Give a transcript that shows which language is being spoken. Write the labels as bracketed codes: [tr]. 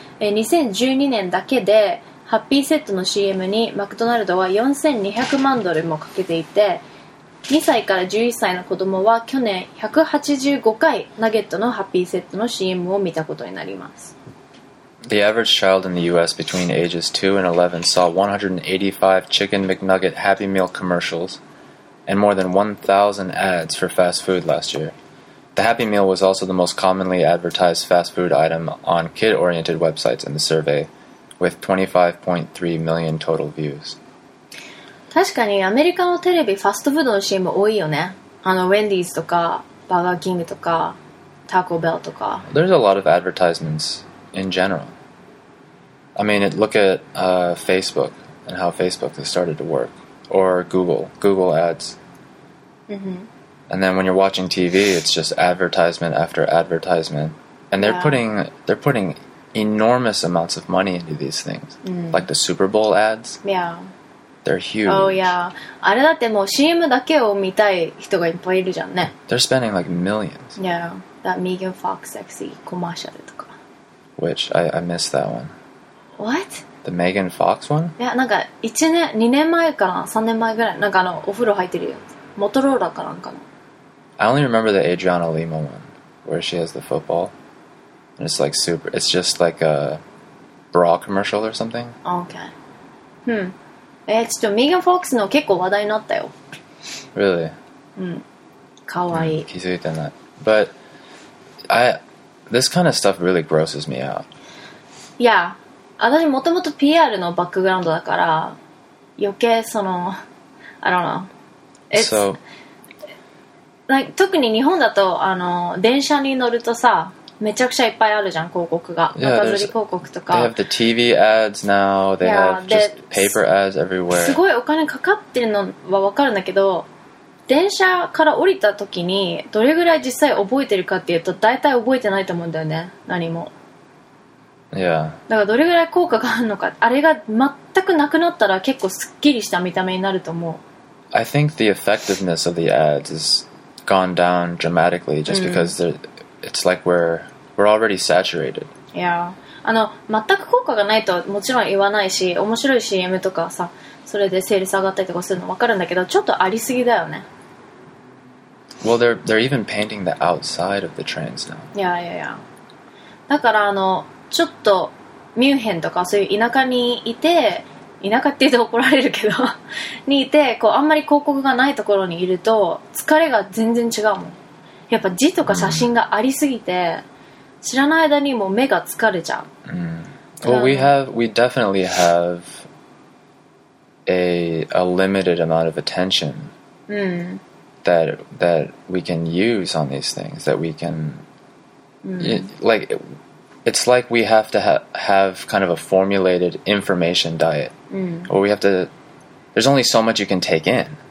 [ja] 2012年だけでハッピーセットの CM にマクドナルドは4200万ドルもかけていて、2歳から11歳の子供は去年185回ナゲットのハッピーセットの CM を見たことになります。 [en] The average child in the U.S. between ages 2 and 11 saw 185 Chicken McNugget Happy Meal commercials and more than 1,000 ads for fast food last year. The Happy Meal was also the most commonly advertised fast food item on kid-oriented websites in the survey, with 25.3 million total views. [ja] 確かにアメリカのテレビファストフードのシーンも多いよね。あのウェンディーズとかバーガーキングとかタコベルとか。 [en] There's a lot of advertisements. In general. I mean, look at Facebook and how Facebook has started to work. Or Google. Google ads. And then when you're watching TV, it's just advertisement after advertisement. And they're, they're putting enormous amounts of money into these things. Like the Super Bowl ads. They're huge. Oh, yeah. [ja] あれだってもう CM だけを見たい人がいっぱいいるじゃんね。 [en] They're spending like millions. Yeah. That Megan Fox sexy commercial [ja] とか。 [en] Which I missed that one. What? The Megan Fox one? [ja] いや、なんか1年、2年前かな、3年前ぐらい、なんかあのお風呂入ってるよ。モトローラかなんかの。 [en] I only remember the Adriana Lima one, where she has the football. And it's like super, it's just like a bra commercial or something. [ja] Okay. Hmm. ちょっと Megan Fox の結構話題になったよ。 [en] Really? [ja] うん。かわいい。気づいてない。 [en] But, This kind of stuff really grosses me out. Yeah. [ja] 私もともと PR のバックグラウンドだから余計その [en] I don't know. It's so, like, [ja] 特に日本だとあの電車に乗るとさめちゃくちゃいっぱいあるじゃん広告が。 [en] Yeah, [ja] 赤字広告とか。 [en] They have the TV ads now. They yeah, have just paper ads everywhere. [ja] すごいお金かかってるのはわかるんだけど電車から降りた時にどれぐらい実際覚えてるかっていうと大体覚えてないと思うんだよね何も。いや。だからどれぐらい効果があるのかあれが全くなくなったら結構すっきりした見た目になると思う。 [en] I think the effectiveness of the ads has gone down dramatically just because it's like we're already saturated. Yeah. [ja] あの全く効果がないとはもちろん言わないし面白い CM とかさそれでセールス上がったりとかするの分かるんだけどちょっとありすぎだよね。 [en] Well, they're even painting the outside of the trains now. Yeah, yeah, yeah. [ja] だからあのちょっとミュンヘンとかそういう田舎にいて田舎って言うと怒られるけどにいてこうあんまり広告がないところにいると疲れが全然違うもん。やっぱ字とか写真がありすぎて、知らない間にもう目が疲れちゃう。 [en] Well, we definitely have a limited amount of attention that we can use on these things, that we can, like, it's like we have to have kind of a formulated information diet, or we have to, there's only so much you can take in.